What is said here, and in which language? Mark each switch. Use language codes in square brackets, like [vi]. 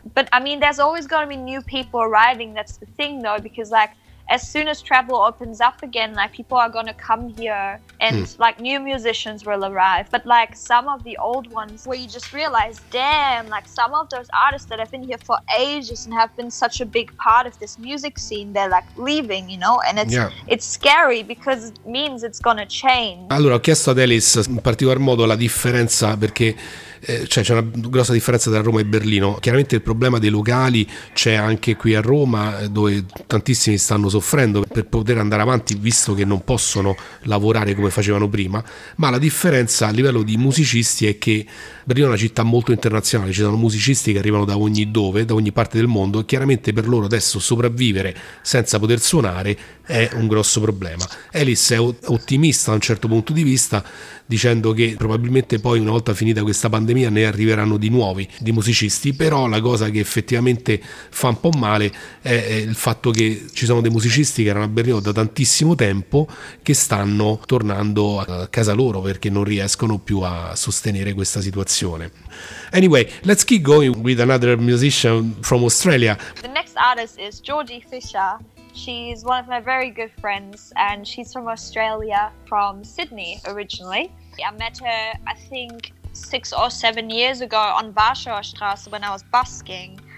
[en] But I mean, there's always going to be new people arriving. That's the thing, though, because like as soon as travel opens up again, like people are going to come here and like new musicians will arrive. But like some of the old ones where you just realize, damn, like some of those artists that have been here for ages and have been such a big part of this music scene, they're like leaving, you know, and it's scary because it means it's going to change. [it] Allora, ho chiesto ad Alice in particolar modo la differenza perché cioè c'è una grossa differenza tra Roma e Berlino. Chiaramente il problema dei locali c'è anche qui a Roma, dove tantissimi stanno soffrendo per poter andare avanti visto che non possono lavorare come facevano prima, ma la differenza a livello di musicisti è che Berlino è una città molto internazionale, ci sono musicisti che arrivano da ogni dove, da ogni parte del mondo, e chiaramente per loro adesso sopravvivere senza poter suonare è un grosso problema. Alice è ottimista da un certo punto di vista, dicendo che probabilmente poi una volta finita questa pandemia ne arriveranno di nuovi di musicisti, però la cosa che effettivamente fa un po' male è il fatto che ci sono dei musicisti che erano a Berlino da tantissimo tempo che stanno tornando a casa loro perché non riescono più a sostenere questa situazione. [en] Anyway, let's keep going with another musician from Australia. The next artist is Georgie Fisher. She's one of my very good friends and she's from Australia, from Sydney originally. I met her, I think, 6 or 7 years ago on Warschauer Straße when I was busking.